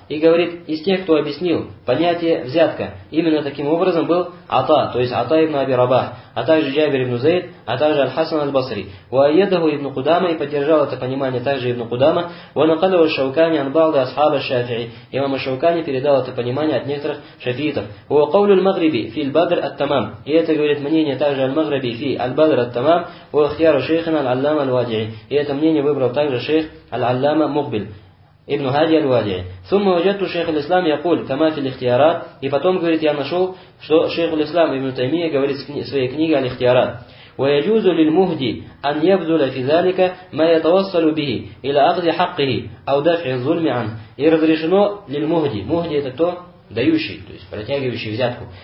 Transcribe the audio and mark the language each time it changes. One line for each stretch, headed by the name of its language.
Russian: И говорит, из тех, кто объяснил понятие взятка, именно таким образом был عطاء, то есть عطاء ابن أبي رباح, а также Джабир ибн Зейд, а также Аль-Хасан Аль-Басри.
Arabic: وأيده ابن قدامة,
Russian: и поддержал это понимание также ابن قدامة.
Arabic: ونقله الشوكاني عن بعض أصحاب الشافعي,
Russian: имам الشوكاني передал это понимание от некоторых шафиитов.
Arabic: هو قول المغربي في البدر التمام,
Russian: и это говорит мнение также Аль-Магриби
Arabic: في البدر التمام. واختيار شيخنا العلامة الواجعي,
Russian: и это мнение выбрал также шейх
Arabic: العلامة مقبل ابن هادي الواجعي. ثم وجدت شيخ الإسلام يقول كما في الاختيارات,
Russian: и потом говорит я нашел, что шейх الإسلام ابن تيمية говорит в своей книге الاختيارات.
Arabic: ويجوز للمهدي أن يبذل في ذلك ما يتوصل به إلى أخذ حقه أو دفع الظلم عنه.
Russian: И разрешено للمهدي, مهدي это кто? Дающий, то есть протягивающий взятку.